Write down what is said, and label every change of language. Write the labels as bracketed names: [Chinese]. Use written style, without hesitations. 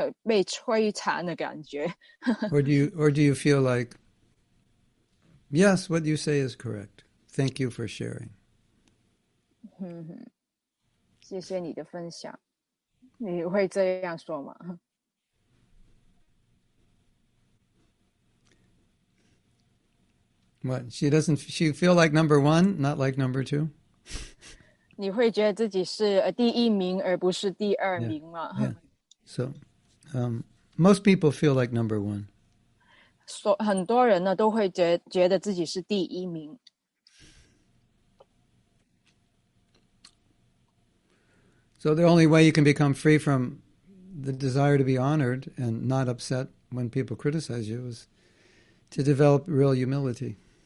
[Chinese] 有人批评你的时候，你感觉很差劲，就是被摧残的感觉。Or [English] do you feel like, yes, what you say is correct. Thank you for sharing. [Chinese] 谢谢你的分享。你会这样说吗？ [English] What? She feel like number one, not like number two? [Chinese] 你会觉得自己是第一名而不是第二名吗？ [English] Yeah, yeah. So, most people feel like number one. [Chinese] 很多人呢都会觉得自己是第一名。So [English] the only way you can become free from the desire to be honored and not upset when people criticize you is to develop real humility.